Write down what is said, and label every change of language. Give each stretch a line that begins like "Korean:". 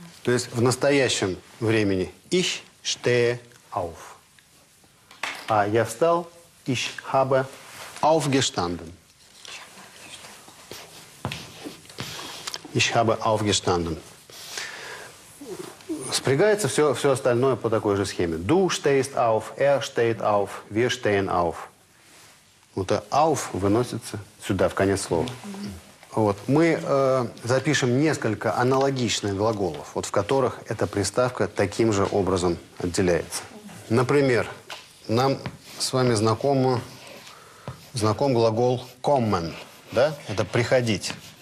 Russian: То есть в настоящем времени
German: ich stehe auf.
Russian: А я встал,
German: ich habe aufgestanden. Ich habe aufgestanden.
Russian: Спрягается все остальное по такой же схеме.
German: Du stehst auf, er steht auf, wir stehen auf.
Russian: Вот это auf выносится сюда, в конец слова. Вот. Мы запишем несколько аналогичных глаголов, вот в которых эта приставка таким же образом отделяется. Например, нам с вами знаком глагол kommen, да? Это приходить.